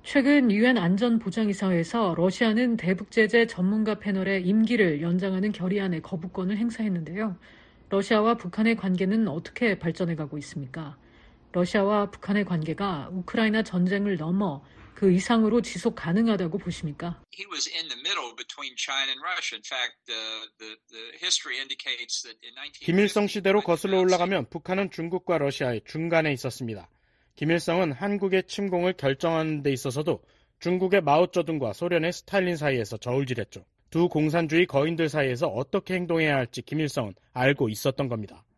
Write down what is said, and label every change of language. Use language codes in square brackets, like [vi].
[ko] 최근 유엔 안전보장이사회에서 러시아는 대북제재 전문가 패널의 임기를 연장하는 결의안에 거부권을 행사했는데요. 러시아와 북한의 관계는 어떻게 발전해가고 있습니까? 러시아와 북한의 관계가 우크라이나 전쟁을 넘어 그 이상으로 지속 가능하다고 보십니까? [en] He was in the middle between China and Russia. In fact, the history indicates that in 1950. [ko] 김일성 시대로 거슬러 올라가면 북한은 중국과 러시아의 중간에 있었습니다. 김일성은 한국의 침공을 결정하는 데 있어서도 중국의 마오쩌둥과 소련의 스탈린 사이에서 저울질했죠. 두 공산주의 거인들 사이에서 어떻게 행동해야 할지 김일성은 알고 있었던 겁니다.